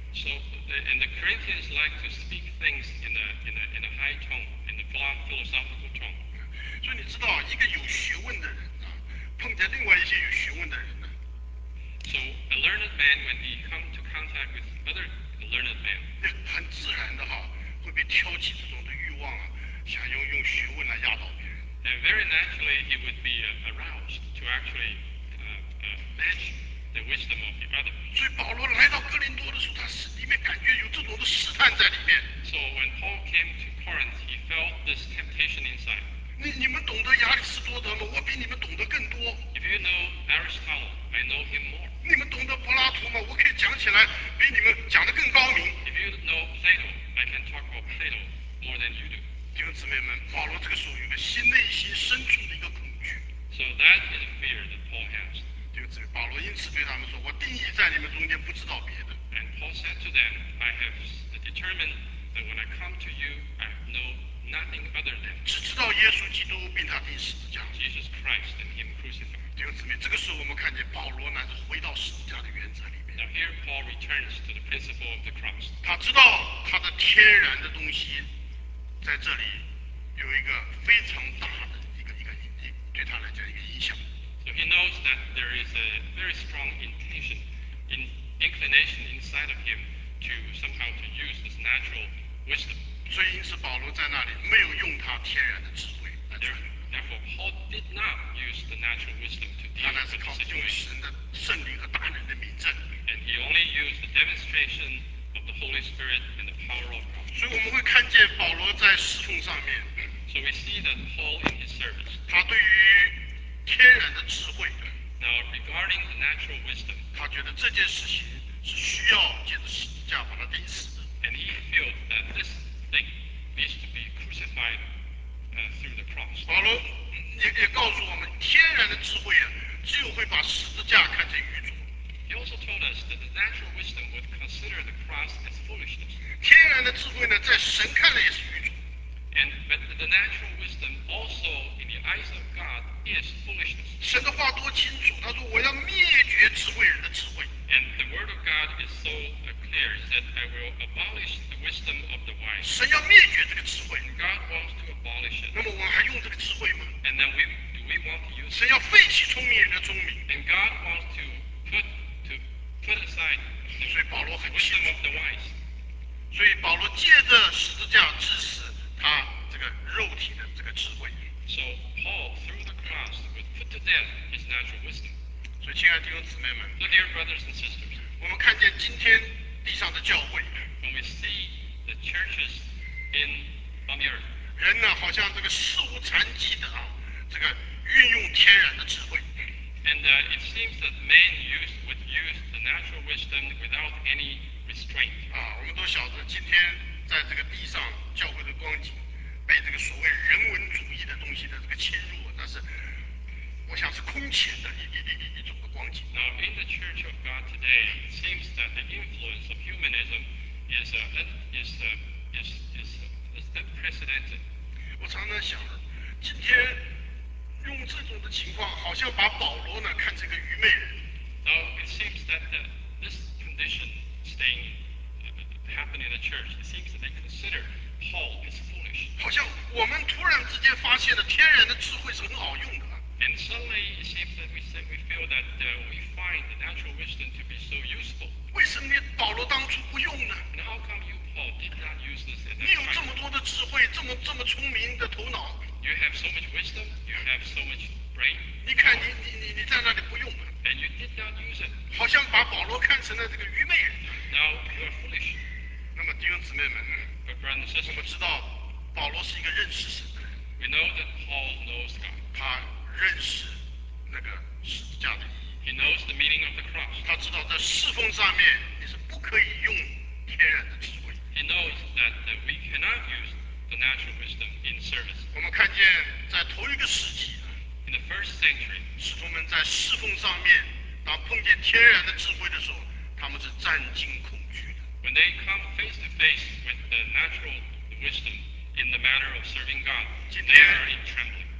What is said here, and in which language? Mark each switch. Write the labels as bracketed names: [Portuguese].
[English] So and the Corinthians like to speak things in a high tone, in a philosophical tone. [Chinese] 所以你知道，一个有学问的人啊，碰见另外一些有学问的人呢。 [English] So a learned man when he come to contact with other learned men, [Chinese] 很自然的哈，会被挑起这种的欲望啊，想用学问来压倒别人。 [English] And very naturally he would be aroused to actually match. The wisdom of the other. [Chinese] 所以保罗来到哥林多的时候，他是里面感觉有这种的试探在里面。 [English] So when Paul came to Corinth, he felt this temptation inside. [Chinese] 你们懂得亚里士多德吗？我比你们懂得更多。 [English] If you know Aristotle, I know him more. [Chinese] 你们懂得柏拉图吗？我可以讲起来比你们讲得更高明。 [English] If you know Plato, I can talk about Plato more than you do. [Chinese] 弟兄姊妹们，保罗这个时候有个心内心深处的一个恐惧。 [English] So that is a fear that Paul has. [Chinese] 保罗因此对他们说：“我定义在你们中间不知道别的。” [English] And Paul said to them, "I have determined that when I come to you, I know nothing other than [Chinese] 只知道耶稣基督并他钉十字架。” [English] Jesus Christ and Him crucified. [Chinese] 弟兄姊妹，这个时候我们看见保罗乃是回到十字架的原则里面。 [English] Now here Paul returns to the principle of the cross. [Chinese] 他知道他的天然的东西在这里有一个非常大的一个对他来讲一个影响。 [English] So he knows that there is a very strong intention, inclination inside of him to somehow to use this natural wisdom. [Chinese] 所以因此保罗在那里没有用他天然的智慧来传。 [English] Therefore, Paul did not use the natural wisdom to deal with the situation. [Chinese] 他那是靠用神的圣灵和大能的名证。 [English] And he only used the demonstration of the Holy Spirit and the power of God. [Chinese] 所以我们会看见保罗在侍奉上面。 [English] So we see that Paul in his service. [Chinese] 他对于天然的智慧。 [English] Now regarding the natural wisdom, [Chinese] 他觉得这件事情是需要借着十字架把他钉死的。 [English] And he feels that this thing needs to be crucified through the cross. [Chinese] 保罗也告诉我们，天然的智慧啊，只有会把十字架看成愚拙。 [English] He also told us that the natural wisdom would consider the cross as foolishness. [Chinese] 天然的智慧呢，在神看来也是愚拙。 [English] And but the natural wisdom also in the eyes of God is foolishness. [Chinese] 神的话多清楚，他说我要灭绝智慧人的智慧。 [English] And the word of God is so clear that I will abolish the wisdom of the wise. [Chinese] 神要灭绝这个智慧。 [English] And God wants to abolish it. [Chinese] 那么我们还用这个智慧吗？ [English] And then do we want to use? [Chinese] 神要废弃聪明人的聪明。 [English] And God wants to put aside the wisdom of the wise. [Chinese] 所以保罗借着十字架致死。他这个肉体的这个智慧。 [English] So Paul through the cross would put to death his natural wisdom. [Chinese] 所以亲爱的弟兄姊妹们 [English] ，So dear brothers and sisters， [Chinese] 我们看见今天地上的教会。 [English] When we see the churches in on the earth， [Chinese] 人呢好像这个事无残疾的啊，这个运用天然的智慧。 [English] And it seems that men would use the natural wisdom without any restraint. [Chinese] 啊，我们都晓得今天。在这个地上教会的光景被这个所谓人文主义的东西的这个侵入，那是我想是空前的一 [English] Now, in the Church of God today, it seems that the influence of humanism is unprecedented. [Chinese] 我常常想，今天用这种的情况，好像把保罗呢看成个愚昧人。 [English] Now, it seems that this condition staying happening in the church, it seems that they consider Paul as foolish. [Chinese] 好像我们突然之间发现了天然的智慧是很好用的。 [English] And suddenly it seems that we feel that we find the natural wisdom to be so useful. [Chinese] 为什么保罗当初不用呢？ [English] And how come you, Paul, did not use this at that time? [Chinese] 你有这么多的智慧，这么聪明的头脑。 [English] You have so much wisdom, you have so much brain. [Chinese] 你看你在那里不用。 [English] And you did not use it. [Chinese] 好像把保罗看成了这个愚昧人。 [English] Now you are foolish. [Chinese] 那么弟兄姊妹们呢？ [English] But brothers and sisters, [Chinese] 我们知道保罗是一个认识神的人。 [English] We know that Paul knows God. [Chinese] 他认识那个十字架的意义。 [English] He knows the meaning of the cross. [Chinese] 他知道在侍奉上面你是不可以用天然的智慧。 [English] He knows that we cannot use the natural wisdom in service. [Chinese] 我们看见在头一个世纪。 [English] In the first century, [Chinese] 使徒们在侍奉上面，当碰见天然的智慧的时候，他们是战惊恐惧的。 [English] When they come face to face with the natural wisdom in the matter of serving God, they are in trembling.